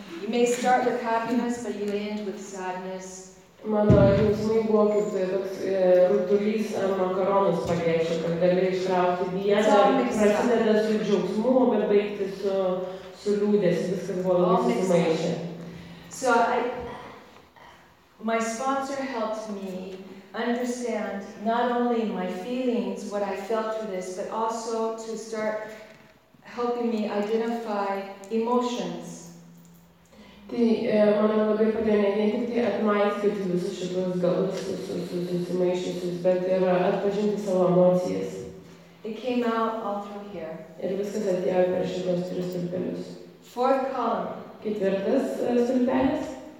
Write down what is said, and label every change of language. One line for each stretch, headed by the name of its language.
English: You may start with happiness, but you end with sadness.
Lithuanian: Mano jausmai buvo kaip toks rutulys ar makaronas spagečio, kad gali ištraukti vieną, prasideda su džiaugsmu, bet baigti su liūdės, viskas buvo labai sumaišę.
English: So, my sponsor helped me understand not only my feelings, what I felt through this, but also to start helping me identify emotions.
Lithuanian: Tai man labai padėjo ne vien tik tai atmaisyti visus šitus galus susimaišysius, bet ir atpažinti savo emocijas.
English: It came out all through here.
Lithuanian: Ir viskas atėjo per šitos tris stulpelius.
English: Fourth column.
Lithuanian: Ketvirtas stulpelis.